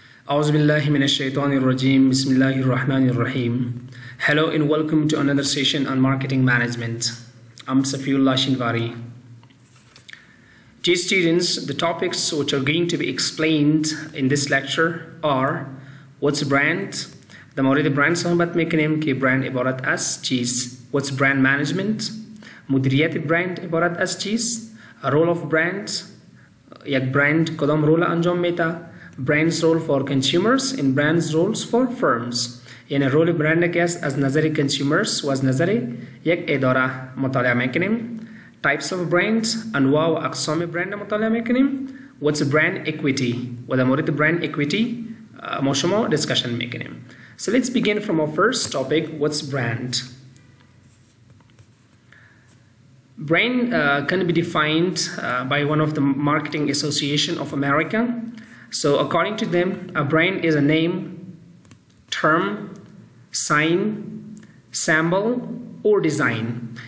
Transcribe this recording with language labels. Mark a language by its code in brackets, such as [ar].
[ar] أعوذ بالله من الشيطان الرجيم بسم الله الرحمن الرحيم [en] Hello and welcome to another session on marketing management. I'm Safiullah Shinwari. Dear students, the topics which are going to be explained in this lecture are What's a brand? [fa] دمارد برند صحبت میکنیم که برند عبارت از چیز [en] What's brand management? [fa] مدیریت برند عبارت از چیز [en] A role of brand? [fa] یک برند کدام رول انجام میده [en] Brand's role for consumers and brand's roles for firms. [fa] یعنی رول برند کیست از نظر consumers و از نظر یک اداره مطالعه میکنیم. [en] Types of brand, [fa] انواع و اقسام برند مطالعه میکنیم. [en] What's brand equity? [fa] و در مورد brand equity ما شما discussion میکنیم. [en] So let's begin from our first topic, what's brand? Brand can be defined by one of the Marketing Association of America. So according to them, a brand is a name, term, sign, symbol, or design.